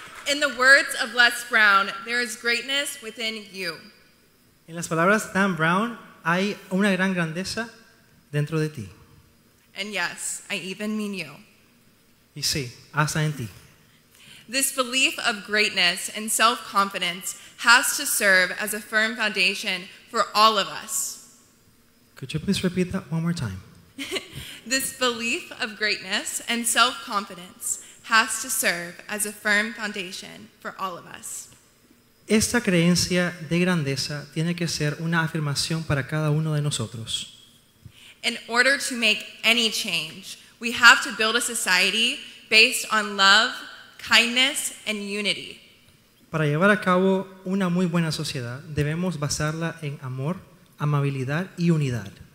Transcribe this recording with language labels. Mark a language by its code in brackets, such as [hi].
[en] In the words of Les Brown, there is greatness within you. [es] En las palabras de Dan Brown, hay una gran grandeza dentro de ti. [en] And yes, I even mean you. [es] Y sí, hasta en ti. [en] This belief of greatness and self-confidence has to serve as a firm foundation for all of us. Could you please repeat that one more time? This belief of greatness and self-confidence has to serve as a firm foundation for all of us. [es] Esta creencia de grandeza tiene que ser una afirmación para cada uno de nosotros. [en] In order to make any change, we have to build a society based on love, kindness, and unity. [es] Para llevar a cabo una muy buena sociedad, debemos basarla en amor, amabilidad y unidad.